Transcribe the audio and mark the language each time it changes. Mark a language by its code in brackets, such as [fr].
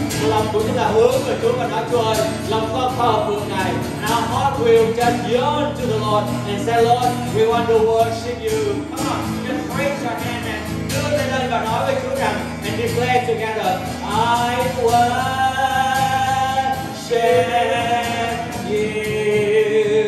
[vi] lòng của chúng ta hướng về Chúa và nói Chúa ơi, lòng con thờ phượng Ngài. [en] Our heart will just yearn to the Lord and say, Lord, we want to worship You. Come on, just raise your hand and [vi] đưa tay lên và nói với Chúa rằng [en] and declare together, I worship You.